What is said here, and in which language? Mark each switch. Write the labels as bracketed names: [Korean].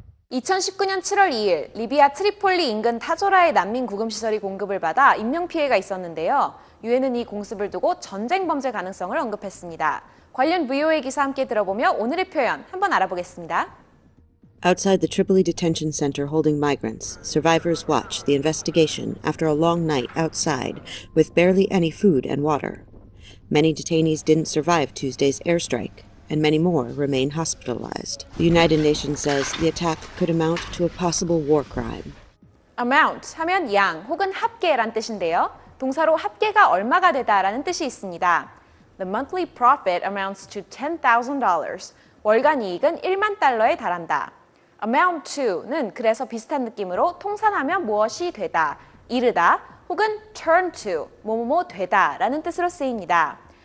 [Korean] 2019년 7월 2일 리비아 트리폴리 인근 타조라의 난민 구금시설이 공급을 받아 인명피해가 있었는데요. 유엔은 이 공습을 두고 전쟁 범죄 가능성을 언급했습니다. 관련 VOA 기사 함께 들어보며 오늘의 표현 한번 알아보겠습니다. [English] Outside the Tripoli detention center holding migrants, survivors watch the investigation after a long night outside with barely any food and water. Many detainees didn't survive Tuesday's airstrike, and many more remain hospitalized. The United Nations says the attack could amount to a possible war crime. [Korean] Amount 하면 양 혹은 합계란 뜻인데요. 동사로 합계가 얼마가 되다라는 뜻이 있습니다. [English] The monthly profit amounts to $10,000. [Korean] 월간 이익은 1만 달러에 달한다. Amount to는 그래서 비슷한 느낌으로 통산하면 무엇이 되다, 이르다, 혹은 turn to, 뭐뭐뭐 되다 라는 뜻으로 쓰입니다.